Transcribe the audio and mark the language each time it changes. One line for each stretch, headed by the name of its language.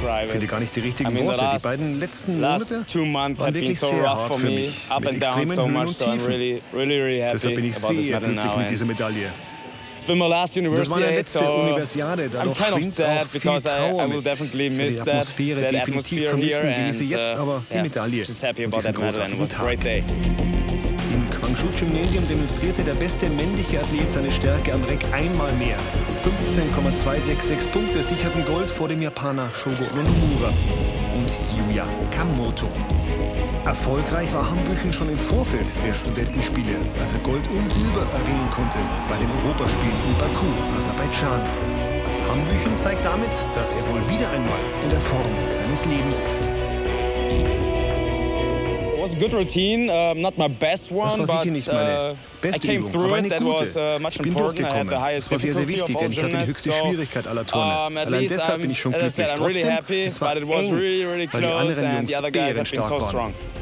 German: Finde gar nicht die richtigen Worte. Die beiden letzten Monate waren wirklich sehr hart für mich, mit extremen Höhen und Tiefen. Deshalb bin ich sehr glücklich mit dieser Medaille.
English: It's been my last university, so I'm kind of sad because I will definitely miss that atmosphere here, and yeah, just happy about that medal, and it was a great day.
German: Im Guangzhou Gymnasium demonstrierte der beste männliche Athlet seine Stärke am REC einmal mehr. 15,266 Punkte sicherten Gold vor dem Japaner Shogo Onomura und Yuya Kamoto. Erfolgreich war Hanbüchen schon im Vorfeld der Studentenspiele, als er Gold und Silber erringen konnte bei den Europaspielen in Baku, Aserbaidschan. Hanbüchen zeigt damit, dass er wohl wieder einmal in der Form seines Lebens ist.
English: It was a good routine, not my best one, but I came through it, that was much important, I had the highest difficulty of all gymnasts, so at least I'm really happy, but it was really, really close and the other guys have been so strong.